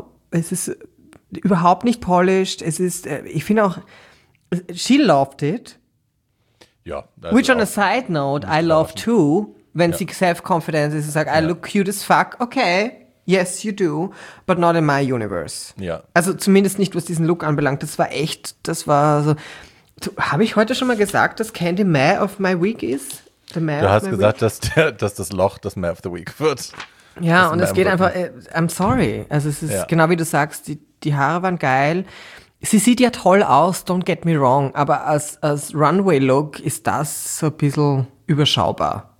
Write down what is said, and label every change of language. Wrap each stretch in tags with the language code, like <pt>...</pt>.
<de>Es ist überhaupt nicht polished. Es ist, ich finde auch,</de> <en>she loved it.</en> <de>Ja.</de> <en>Which on a side note, I love too,</en> <de>wenn sie self-confident ist und sagt,</de> <en>I look cute as fuck, okay. Yes, you do, but not in my universe.</en> <de>Ja. Also zumindest nicht, was diesen Look anbelangt. Das war so. Habe ich heute schon mal gesagt, dass Candy May of my week ist? Du hast gesagt, dass das Loch das May of the week wird. Ja, und es geht einfach,</de> <en>I'm sorry.</en> <de>Also es ist genau wie du sagst, die Haare waren geil. Sie sieht ja toll aus,</de> <en>don't get me wrong.</en> <de>Aber als Runway-Look ist das so ein bisschen überschaubar.</de>